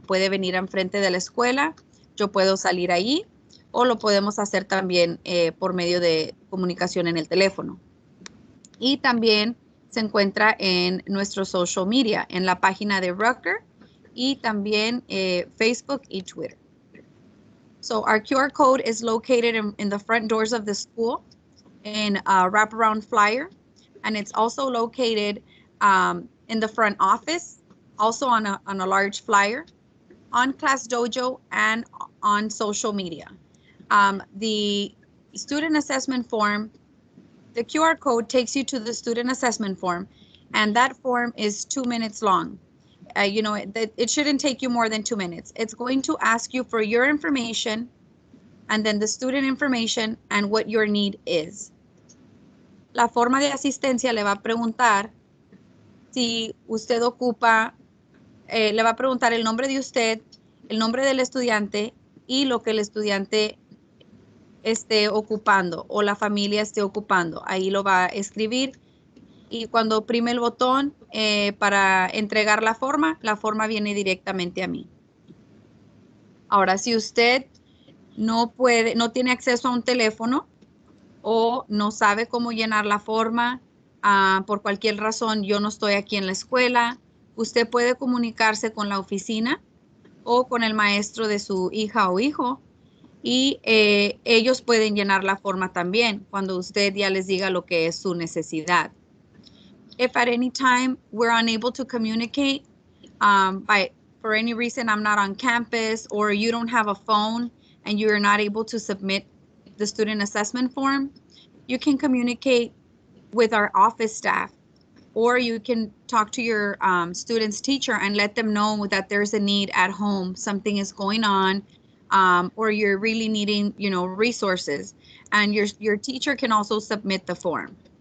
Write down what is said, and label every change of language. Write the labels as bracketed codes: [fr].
[es] Puede venir enfrente de la escuela, yo puedo salir ahí o lo podemos hacer también por medio de comunicación en el teléfono. Y también se encuentra en nuestro social media, en la página de Rucker y también Facebook y Twitter. [en] So our QR code is located in the front doors of the school in a wraparound flyer, and it's also located in the front office, also on a large flyer, on Class Dojo and on social media. The student assessment form, the QR code takes you to the student assessment form, and that form is 2 minutes long. It shouldn't take you more than 2 minutes. It's going to ask you for your information and then the student information and what your need is. [es] La forma de asistencia le va a preguntar si usted ocupa, le va a preguntar el nombre de usted, el nombre del estudiante y lo que el estudiante esté ocupando o la familia esté ocupando. Ahí lo va a escribir y cuando oprime el botón para entregar la forma viene directamente a mí. Ahora, si usted no tiene acceso a un teléfono o no sabe cómo llenar la forma, por cualquier razón yo no estoy aquí en la escuela, usted puede comunicarse con la oficina o con el maestro de su hija o hijo. Y ellos pueden llenar la forma también cuando usted ya les diga lo que es su necesidad. [en] If at any time we're unable to communicate, for any reason I'm not on campus or you don't have a phone and you're not able to submit the student assessment form, you can communicate with our office staff or you can talk to your student's teacher and let them know that there's a need at home, something is going on, or you're really needing, resources, and your teacher can also submit the form.